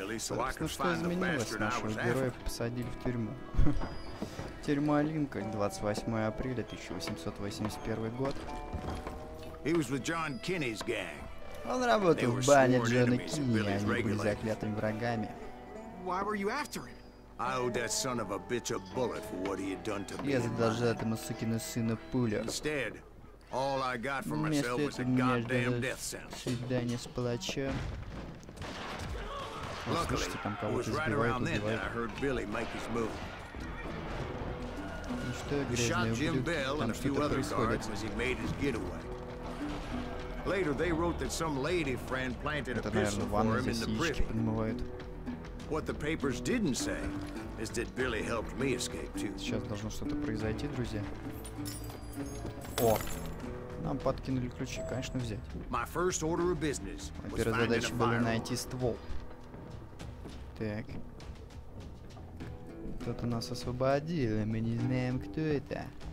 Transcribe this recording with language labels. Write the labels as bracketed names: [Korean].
[Russian] Ну что изменилось? Нашего героя посадили в тюрьму. Тюрьма Линкольн, 28 апреля 1881 год. [English] He was with John Kinney's gang. [Russian] Он работал в бане Джона Кинни, и они были заклятыми врагами. [English] Why were you after him? I owed that son of a bitch a bullet for what he had done to me. [Russian] Я задолжал этому сукину сыну пулю. [English] Instead, all I got for myself was a goddamn death sentence. [Russian] Свидание с палачом. Слушайте, там кого-то сбивают, убивают. [English] I heard Billy make his move. [Russian] Ну что, грязные ублюдки, там что-то происходит. [English] As he made his getaway. Later, they wrote that some lady friend planted a pistol for him in the privy. What the papers didn't say is that Billy helped me escape too. [Russian] Сейчас должно что-то произойти, друзья. О, нам подкинули ключи, конечно, взять. [English] My first order of business was finding a firearm. [Russian] Первая задача была найти ствол. Так, кто-то нас освободил, и мы не знаем, кто это.